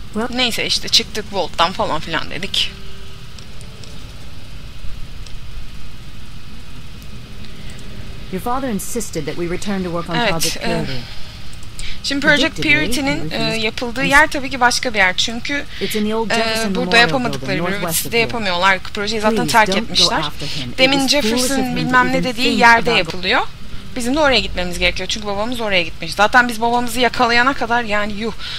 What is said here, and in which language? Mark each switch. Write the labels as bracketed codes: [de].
[tr] Neyse işte çıktık Vault'tan falan filan dedik. [en] Your father insisted that we return to work on Project Purity. [tr] Şimdi Project Purity'nin yapıldığı yer tabii ki başka bir yer. Çünkü burada yapamadıkları bir üniversitede yapamıyorlar. Projeyi zaten terk etmişler. Demin Jefferson bilmem ne dediği yerde yapılıyor. Bizim de oraya gitmemiz gerekiyor. Çünkü babamız oraya gitmiş. Zaten biz babamızı yakalayana kadar yani yuh.